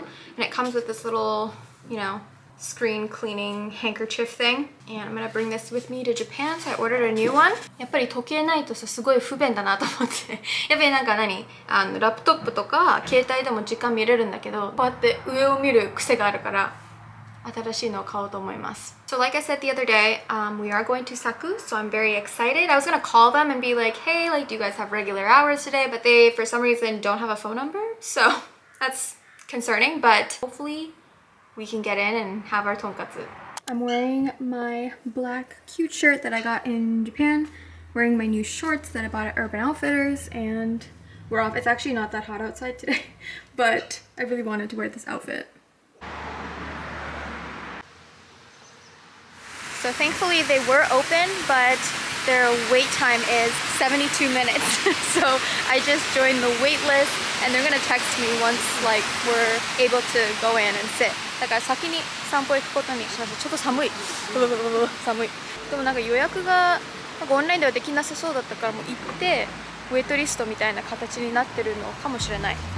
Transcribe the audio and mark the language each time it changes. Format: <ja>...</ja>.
<en>And it comes with this little, you know, screen cleaning handkerchief thing. And I'm gonna bring this with me to Japan. So I ordered a new one.</en> <ja>やっぱり時計ないとさ、すごい不便だなと思って。やっぱりなんか何ラップトップとか携帯でも時間見れるんだけど、こうやって上を見る癖があるから、新しいのを買おうと思います。</ja> <en>So like I said the other day, we are going to Saku, so I'm very excited. I was gonna call them and be like, hey, like, do you guys have regular hours today? But they, for some reason, don't have a phone number. So that's concerning, but hopefully we can get in and have our tonkatsu. I'm wearing my black cute shirt that I got in Japan, wearing my new shorts that I bought at Urban Outfitters, and we're off. It's actually not that hot outside today, but I really wanted to wear this outfit. So thankfully they were open, but their wait time is 72 minutes. So I just joined the wait list and they're gonna text me once like we're able to go in and sit.</en> <ja>だから先に散歩行くことにしました。ちょっと寒い。寒い。でもなんか予約がなんかオンラインではできなさそうだったからもう行ってウェイトリストみたいな形になってるのかもしれない。</ja>